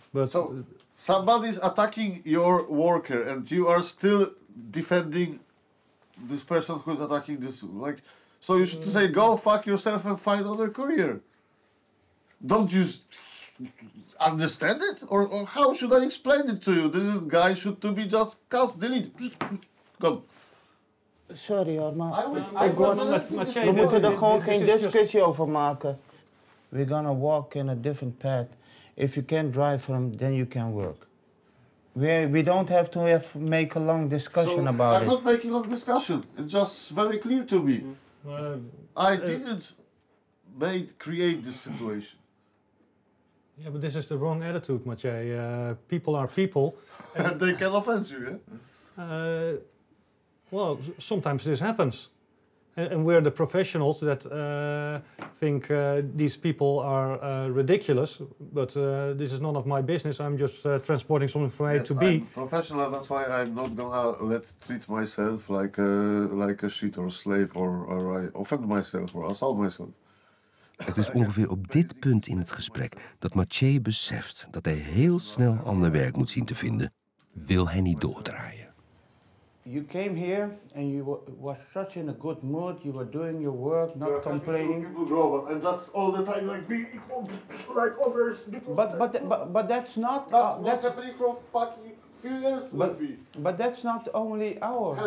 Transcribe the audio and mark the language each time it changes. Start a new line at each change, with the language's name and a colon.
English: But so somebody's attacking your worker and you are still defending this person who's attacking this, like, so you should say go fuck yourself and find another courier. Don't you understand it, or how should I explain it to you? This guy should to be just cast, delete, gone. Sorry, Arma, I got
Dutch: we moeten er gewoon geen discussie over maken.
English: We're gonna walk in a different path. If you can't drive from, then you can work. We don't have to make a long discussion about it. I'm not making a long discussion. It's just very clear to me. I didn't create this situation. Yeah, but this is the wrong attitude, Maciej. People are people. And they can offend you, yeah? Well, sometimes this happens. And we're the professionals that think these people are ridiculous, but this is none of my business. I'm just transporting something from A to B. I'm professional, that's why I'm not gonna treat myself like a shit or slave or I offend myself or assault myself.
Dutch: Het is ongeveer op dit punt in het gesprek dat Mathieu beseft dat hij heel snel ander werk moet zien te vinden, wil hij niet doordraaien.
English: You came here and you were such in a good mood. You were doing your work, not complaining. You're having a good robot, and that's all the time like being equal, like others. But that's not. That's happening for fucking few years. But that's not only our thing.